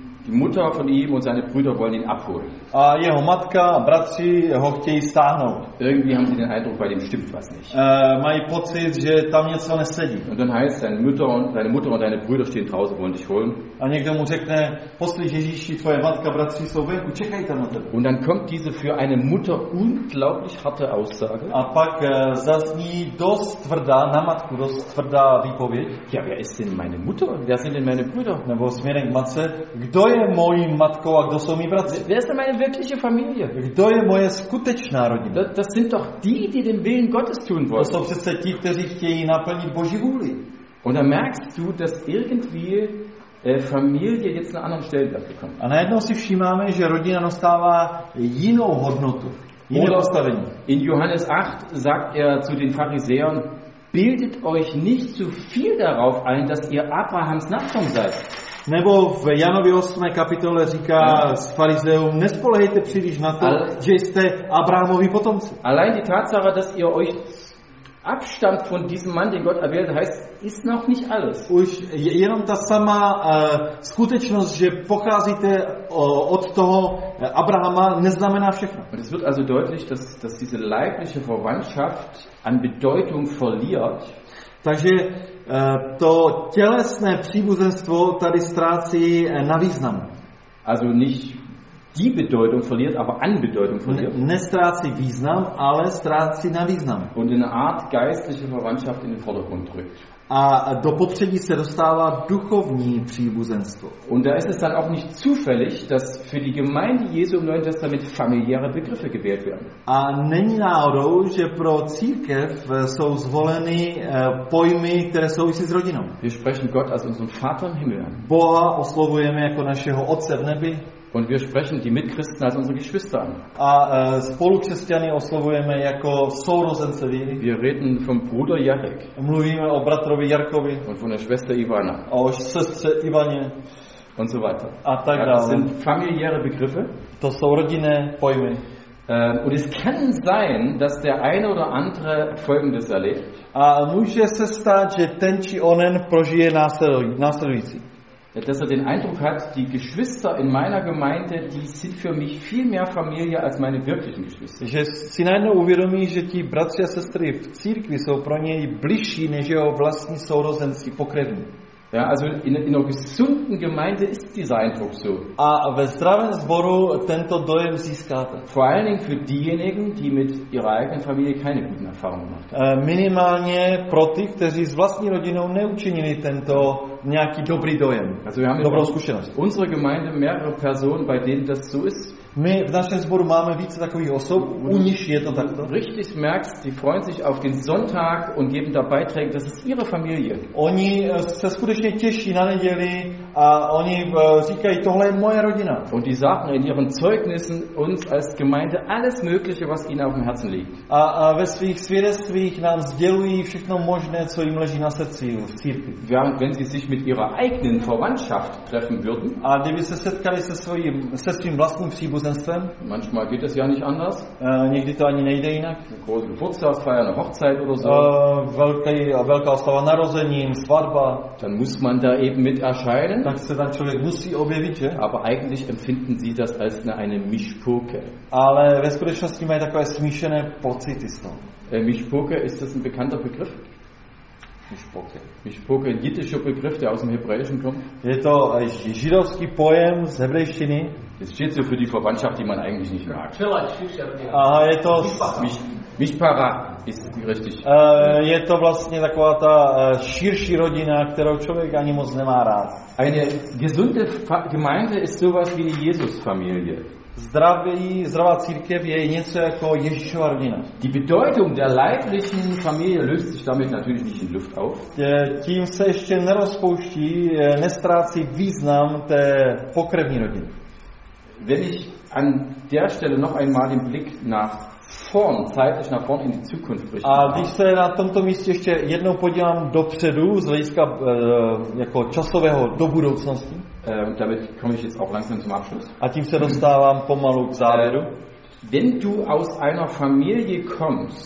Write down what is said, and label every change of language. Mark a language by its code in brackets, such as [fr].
[de] Die Mutter von ihm und seine Brüder wollen ihn abholen. [cs] A jeho matka a bratři ho chtějí stáhnout. [de] Irgendwie haben sie den Eindruck, bei dem stimmt was nicht. [cs] Mají pocit, že tam něco nesedí. [de] Und dann heißt es, deine Mutter und deine Brüder stehen draußen, wollen dich holen. [cs] A někdo mu řekne, poslyš Ježíši, tvoje matka a bratři jsou venku, čekají tam na tebe. [de] Und dann kommt diese für eine Mutter unglaublich harte Aussage. [cs] A pak zazní dost tvrdá, na matku dost tvrdá výpověď. [de] Ja, wer ist denn meine Mutter? Wer sind denn meine Brüder? [cs] Nebo směrem k matce, kdo je mojí matkou a kdo jsou mý bratři? [de] Wer ist denn meine wirkliche Familie? [cs] Kdo je moje skutečná rodina? [de] Das sind doch die den Willen Gottes tun wollen. [cs] To jsou přece ti, kteří chtějí naplnit Boží vůli. [de] Und dann merkst du, dass irgendwie Familie jetzt einen anderen Stellenwert bekommt. [cs] A najednou si všímáme, že rodina dostává jinou hodnotu. [de] In Johannes 8 sagt er zu den Pharisäern, bildet euch nicht zu viel darauf ein, dass ihr Abrahams Nachkomme seid. [cs] Nebo v Janově 8. kapitole říká s farizeum, nespolehejte příliš na to, že jste Abrahamovi potomci. [de] Allein die Tatsache, dass ihr euch abstammt von diesem Mann, den Gott erwählt, heißt, ist noch nicht alles. [cs] Už jenom ta sama skutečnost, že pocházíte od toho Abrahama, neznamená všechno. [de] Und es wird also deutlich, dass diese leibliche Verwandtschaft an Bedeutung verliert. [cs] Takže to tělesné příbuzenstvo tady ztrácí na významu. [de] Also nicht die Bedeutung verliert, aber an Bedeutung verliert. [cs] Nestrácí význam, ale ztrácí na významu. [de] Und eine Art geistliche Verwandtschaft in den Vordergrund drückt. [cs] A do popředí se dostává duchovní příbuzenstvo. [de] Und da ist es dann auch nicht zufällig, dass für die Gemeinde Jesu im Neuen Testament familiäre Begriffe gewählt werden. [cs] A není náhodou, že pro církev jsou zvoleny pojmy, které souvisí s rodinou. [de] Wir sprechen Gott als unseren Vater im Himmel an. [cs] Boha oslovujeme jako našeho Otce v nebi. [de] Und wir sprechen die Mitchristen als unsere Geschwister an. [cs] A spolukřesťany oslovujeme jako sourozence víry. [de] Wir reden vom Bruder Jarek. [cs] Mluvíme o bratrovi Jarkovi. [de] Und von der Schwester Ivana. [cs] A o sestře Ivaně. [de] Und so weiter. [cs] A tak dále. [de] Das sind familiäre Begriffe. [cs] To jsou rodinné pojmy. [de] Und es kann sein, dass der eine oder andere Folgendes erlebt. [cs] A může se stát, že ten či onen prožije následující. [de] Dass er den Eindruck hat, die Geschwister in meiner Gemeinde, die sind für mich viel mehr Familie als meine wirklichen Geschwister. [cs] Že si najednou uvědomí, že ti bratři a sestry v církvi jsou pro něj bližší než jeho vlastní sourozenci pokrevní. [de] Ja, also in einer gesunden Gemeinde ist dieser Eindruck so. [cs] A ve zdravém sboru tento dojem získáte. [de] Vor allen Dingen für diejenigen, die mit ihrer eigenen Familie keine guten Erfahrungen gemacht haben. [cs] Minimálně pro ty, kteří s vlastní rodinou neučinili tento nějaký dobrý dojem. [de] Also wir haben [cs] dobrou zkušenost. [de] Unsere Gemeinde mehrere Personen, bei denen das so ist. [cs] My v našem sboru máme více takových osob, u nich je to takto. [de] Richtig merkst, die freuen sich auf den Sonntag und geben da Beiträge, das ist ihre Familie. [cs] Oni se skutečně těší na neděli a oni říkají, tohle je moje rodina. [de] Und die sagen in ihren Zeugnissen uns als Gemeinde alles Mögliche, was ihnen auf dem Herzen liegt. [cs] A ve svých svědectvích nám sdělují všechno možné, co jim leží na srdci v církvi. [de] Wenn sie sich mit ihrer eigenen Verwandtschaft treffen würden. [cs] A kdyby se setkali se svým vlastním příbuzenstvem. [de] Manchmal geht es ja nicht anders. [cs] Někdy to ani nejde jinak. [de] Große Geburtstagsfeier, eine Hochzeit oder so. [cs] Velká oslava narozením, svatba. [de] Dann muss man da eben mit erscheinen. [cs] Tak se tam člověk musí objevit, že? [de] Aber eigentlich empfinden sie das als eine Mischpoke. [cs] Ale ve skutečnosti mají takové smíšené pocity z toho. [de] Mischpoke, ist das ein bekannter Begriff? Mischpoke, ein jiddischer Begriff, der aus dem Hebräischen kommt. [cs] Je to židovský pojem z hebrejštiny. [de] Es steht so für die Verwandtschaft, die man eigentlich nicht mag. [cs] Aha, je to [de] Mischpara, ist richtig. [cs] Je to vlastně taková ta širší rodina, kterou člověk ani moc nemá rád. [de] Eine gesunde Gemeinde ist sowas wie die Jesusfamilie. [cs] Zdravá církev je něco jako Ježíšova rodina. [de] Die Bedeutung der leiblichen Familie löst sich damit natürlich nicht in Luft auf. [cs] Tím se ještě nerozpouští, nestrácí význam té pokrevní rodiny. [de] Wenn ich an der Stelle noch einmal den Blick nach vorn, zeitlich nach vorn in die Zukunft richte. [cs] A když se na tomto místě ještě jednou podívám dopředu, z hlediska jako časového do budoucnosti. [de] Damit komme ich jetzt auch langsam zum Abschluss. [cs] A tím se dostávám pomalu k závěru. [de] Wenn du aus einer Familie kommst,